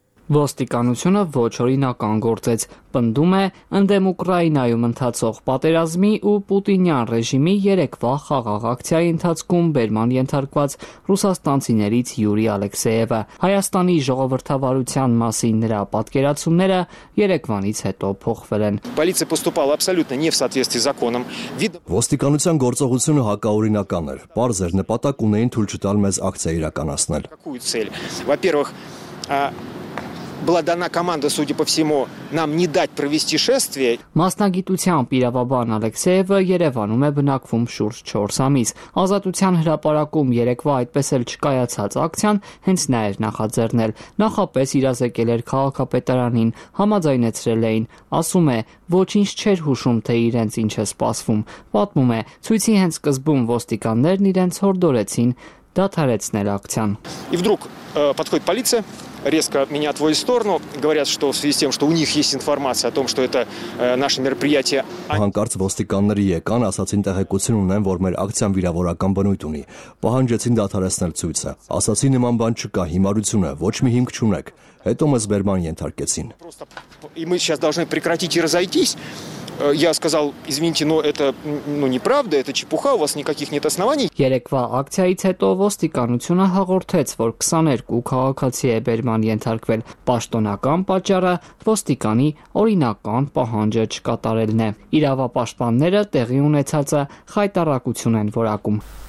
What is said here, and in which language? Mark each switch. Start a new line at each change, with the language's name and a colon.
Armenian: Ոստիկանությունը ոչ օրինական գործեց, պնդում է ընդդեմ Ուկրաինայում ընթացող պատերազմի ու Պուտինյան ռեժիմի երեքվա խաղաղ ակցիայի ընթացքում բերման ենթարկված ռուսաստանցիներից Յուրի Ալեքսեևը։ Հայաստանի ժողովրդավարության մասին նրա պատկերացումները երեկվանից հետո փոխվել են։
Russian: Полиция поступала абсолютно не в соответствии с законом։
Armenian: Ոստիկանության գործողությունը հակաօրինական էր, պարզ էր նպատակ ունեին թույլ չտալ մեզ ակցիա իրականացնել։
Russian: Была дана команда, судя по всему, нам не дать провести шествие.
Armenian: Մասնագիտությամբ իրավաբան Ալեքսեևը Երևանում է բնակվում շուրջ 4 ամիս։ Ազատության հրապարակում երեկվա այդպես էլ չկայացած ակցիան հենց նա էր նախաձեռնել։ Նախապես իրազեկել էր քաղաքապետարանին, համաձայնեցրել էին, ասում է, ոչինչ չէր հուշում, թե իրենց ինչ է սպասվում։ Պատմում է, ցույցի հենց սկզբում ոստիկաններն իրենց հորդորեցին դադարեցնել ակցիան։
Russian: Իվդրուկ подходит полиция, резко меня отводит в сторону, говорят, что в связи с тем, что у них есть информация о том, что это наше мероприятие.
Armenian: Հանկարծ ոստիկանները եկան, ասացին տեղեկություն ունեն, որ մեր ակցիան վիրավորական բնույթ ունի։ Պահանջեցին դադարեցնել ցույցը։ Ասացին, նման բան չկա, հիմարությունը, ոչ մի հիմք չունեք։ Հետո մեզ բերման ենթարկեցին։
Russian: И мы сейчас должны прекратить и разойтись. Я сказал, извините, но это неправда, это чепуха, у вас никаких нет оснований.
Armenian: Երեկվա ակցիայից հետո ոստիկանությունը հաղորդեց, որ 22 քաղաքացի է բերման ենթարկվել, պաշտոնական պատճառը ոստիկանի օրինական պահանջը չկատարելն է։ Իրավապաշտպանները տեղի ունեցածը խայտառակություն են որակում։